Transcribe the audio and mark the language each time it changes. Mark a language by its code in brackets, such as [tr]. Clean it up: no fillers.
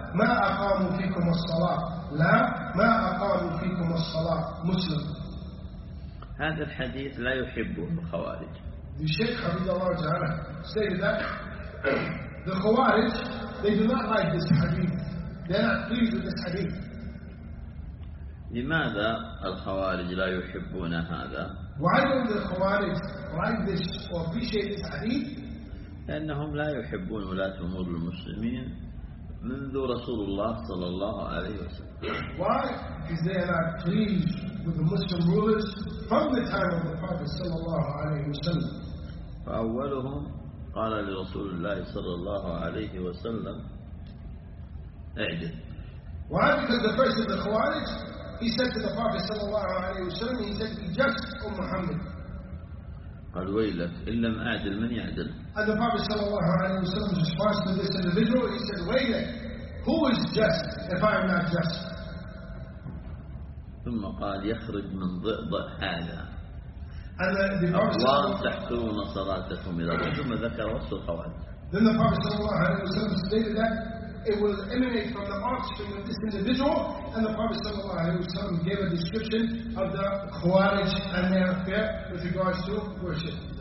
[ar] ما أقاموا فيكم الصلاة؟ لا، ما أقاموا فيكم الصلاة. مسلم. هذا الحديث لا يحبه الخوارج. [en] The Sheikh Habib Allah Ta'ala stated that the Khawarij, they do not like this hadith. They're not pleased with this hadith. [ar] لماذا الخوارج لا يحبون هذا؟ [en] Why don't the Khawarij like this or appreciate this hadith? [ar] لأنهم لا يحبون ولاة أمور المسلمين منذ رسول الله صلى الله عليه وسلم. [en] Why? Because they are not pleased with the Muslim rulers from the time of the Prophet صلى الله عليه وسلم. [ar] فأولهم قال لرسول الله صلى الله عليه وسلم اعدل. [en] Why? Because the first of the Khawarij, he said to the Prophet صلى الله عليه وسلم, he said, be just, O Muhammad. [ar] قال ويلك إن لم أعدل من يعدل. [en] And the Prophet صلى الله عليه وسلم responds to this individual, he said, ويلك, who is just if I am not just? [ar] ثم قال يخرج من ضئضة هذا. [en] And the [ar] Prophet صلى الله عليه وسلم, ثم ذكر وصف الخوارج. [en] Then the Prophet صلى الله عليه وسلم stated that it will emanate from the oxygen of this individual, and the Prophet صلى الله عليه وسلم gave a description of the Khawarij and their affair with regards to worship.